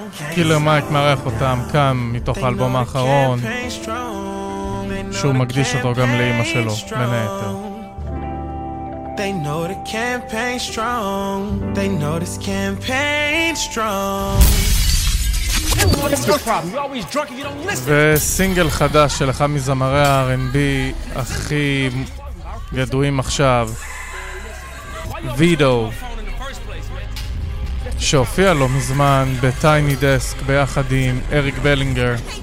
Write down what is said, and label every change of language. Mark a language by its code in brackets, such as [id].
[he] Killer Mike מערך אותם כאן מתוך האלבום האחרון, שהוא מקדיש אותו גם לאימא שלו, בין היתר. [en] They know the campaign strong. They know this campaign strong. [he] וסינגל חדש של אחד מזמרי ה-R&B הכי ידועים עכשיו, וידו, שהופיע לו מזמן בטייני דסק ביחד עם אריק בלינגר.